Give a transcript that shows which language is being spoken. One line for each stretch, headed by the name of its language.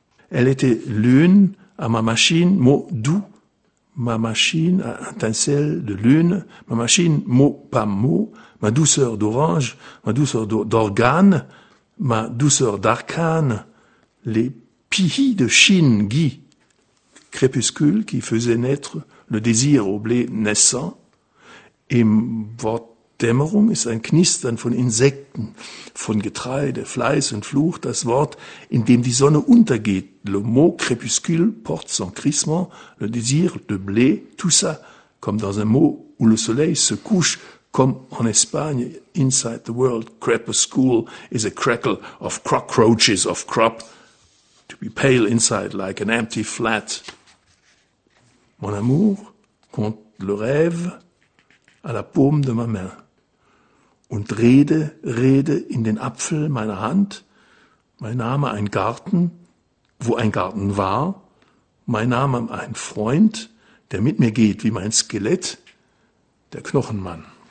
French: Elle était lune à ma machine, mot doux. Ma machine à étincelle de lune. Ma machine, mot pas mot. Ma douceur d'orange, ma douceur d'organe. Ma douceur d'arcane. Les pihis de Chine, Guy. Crépuscule qui faisait naître le désir au blé naissant. Et votre
German: Dämmerung ist ein Knistern von Insekten, von Getreide, Fleiß und Fluch, das Wort, in dem die Sonne untergeht.
French: Le mot crépuscule porte son crissement, le désir de blé, tout ça, comme dans un mot où le soleil se couche, comme en Espagne,
English: inside the world, crepuscule is a crackle of cockroaches of crop, to be pale inside like an empty flat.
French: Mon amour compte le rêve à la paume de ma main.
German: Und rede, rede in den Apfel meiner Hand. Mein Name ein Garten, wo ein Garten war. Mein Name ein Freund, der mit mir geht wie mein Skelett, der Knochenmann.